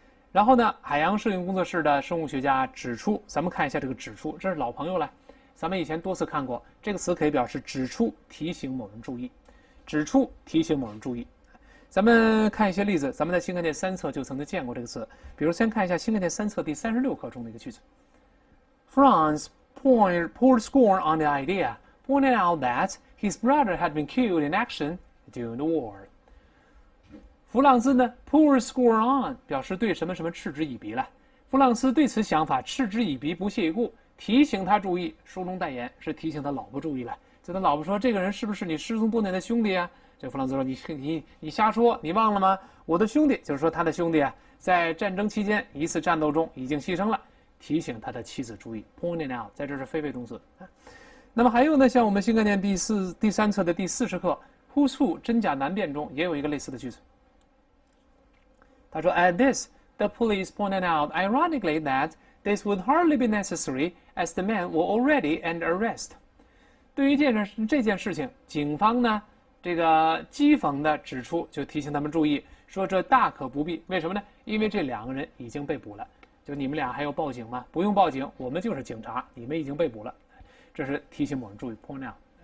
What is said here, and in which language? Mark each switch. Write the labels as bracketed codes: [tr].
[zh] 然后呢，海洋摄影工作室的生物学家指出，咱们看一下这个指出，这是老朋友了，咱们以前多次看过，这个词可以表示指出、提醒某人注意，指出、提醒某人注意。咱们看一些例子，咱们在新概念三册就曾经见过这个词。比如先看一下新概念三册第36课中的一个句子 [en] ：France poured scorn on the idea, pointed out that his brother had been killed in action during the war. [zh] 弗朗兹呢 ， [en] pour scorn on [zh] 表示对什么什么嗤之以鼻了。弗朗兹对此想法嗤之以鼻，不屑一顾。提醒他注意，书中代言是提醒他老婆注意了。就他老婆说：“这个人是不是你失踪多年的兄弟啊？” 这弗朗兹说：“你瞎说，你忘了吗？我的兄弟，就是说他的兄弟啊，在战争期间一次战斗中已经牺牲了。” 提醒他的妻子注意 ，pointing out， 在这是非被动词。那么还有呢，像我们新概念第三册的第40课 ，Who's Who 真假难辨中也有一个类似的句子。他说 [en] ：“At this, the police pointed out ironically that。” This would hardly be necessary, as the man were already under arrest. [zh] 对于这件事情，警方呢，这个讥讽的指出，就提醒他们注意，说这大可不必。为什么呢？因为这两个人已经被捕了。就你们俩还要报警吗？不用报警，我们就是警察，你们已经被捕了。这是提醒某人注意 ，point out。